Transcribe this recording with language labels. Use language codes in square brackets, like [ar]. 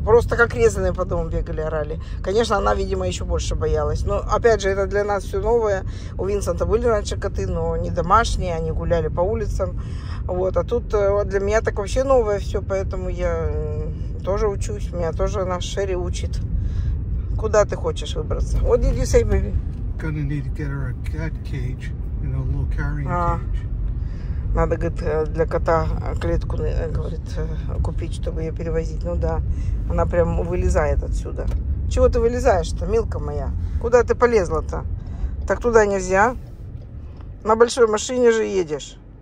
[ru] Просто как резаные по дому бегали, орали. Конечно, она, видимо, еще больше боялась. Но, опять же, это для нас все новое. У Винсента были раньше коты, но не домашние. Они гуляли по улицам. Вот, а тут для меня так вообще новое все, поэтому я тоже учусь, меня тоже наш Шерри учит. Куда ты хочешь выбраться? [en] What did you say, baby? Gonna need to get her a cat cage, you know, a little carrying cage. [ru] Надо, говорит, для кота клетку, говорит, купить, чтобы ее перевозить. Ну да, она прям вылезает отсюда. Чего ты вылезаешь-то, милка моя? Куда ты полезла-то? Так туда нельзя. На большой машине же едешь.